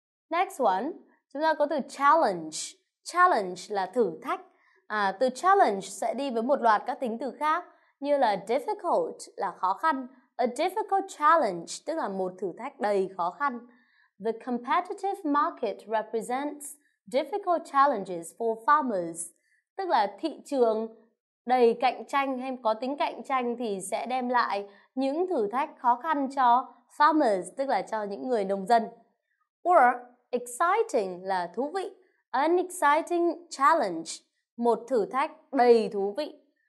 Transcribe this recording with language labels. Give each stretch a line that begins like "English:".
English: Next one,
Vietnamese: chúng ta có từ challenge. Challenge là thử thách. Từ challenge sẽ đi với một loạt các tính từ khác như là difficult là khó khăn.
English: A difficult challenge
Vietnamese: tức là một thử thách đầy khó khăn.
English: The competitive market represents difficult challenges for farmers.
Vietnamese: Tức là thị trường đầy cạnh tranh hay có tính cạnh tranh thì sẽ đem lại những thử thách khó khăn cho farmers, tức là cho những người nông dân. Or, exciting là thú vị.
English: An exciting challenge,
Vietnamese: một thử thách đầy thú vị.